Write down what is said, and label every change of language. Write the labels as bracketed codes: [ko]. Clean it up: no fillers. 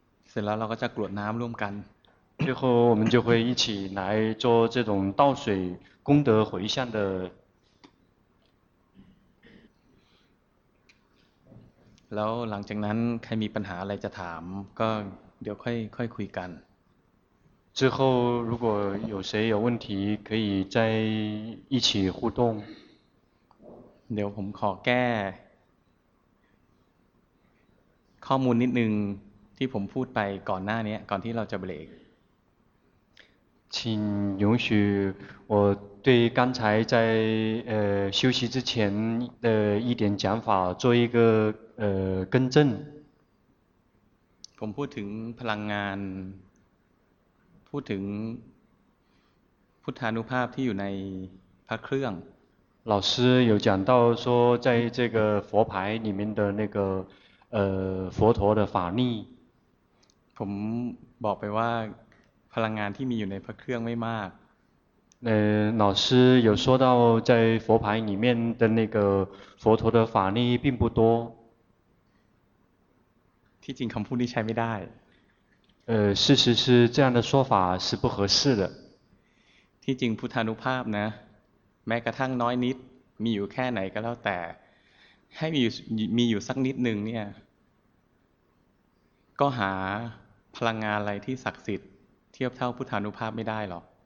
[th] เสร็จแล้วเราก็จะกรวดน้ำร่วมกัน [zh] 最后我们就会一起来做这种倒水功德回向的 [th] แล้วหลังจากนั้นใครมีปัญหาอะไรจะถามก็เดี๋ยวค่อยคุยกัน [zh] 之后如果有谁有问题可以再一起互动 [th] เดี๋ยวผมขอแก้ข้อมูลนิดนึงที่ผมพูดไปก่อนหน้านี้ก่อนที่เราจะเบรก [zh] 请允许我对刚才在休息之前的一点讲法做一个更正 [th] ผมพูดถึงพลังงานพูดถึงพุทธานุภาพที่อยู่ในพระเครื่อง [zh] 老师有讲到说在这个佛牌里面的那个佛陀的法力 [th] ผมบอกไปว่าพลังงานที่มีอยู่ในพระเครื่องไม่มาก [zh] 老师有说到在佛牌里面的那个佛陀的法力并不多 [th] ที่จริงคำพูดนี้ใช้ไม่ได้ [zh] 事实是这样的说法是不合适的 [th] ที่จริงพุทธานุภาพนะแม้กระทั่งน้อยนิดมีอยู่แค่ไหนก็แล้วแต่ให้มีอยู่สักนิดนึงเนี่ยก็หาพลังงานอะไรที่ศักดิ์สิทธิ์เทียบเท่าพุทธานุภาพไม่ได้หรอก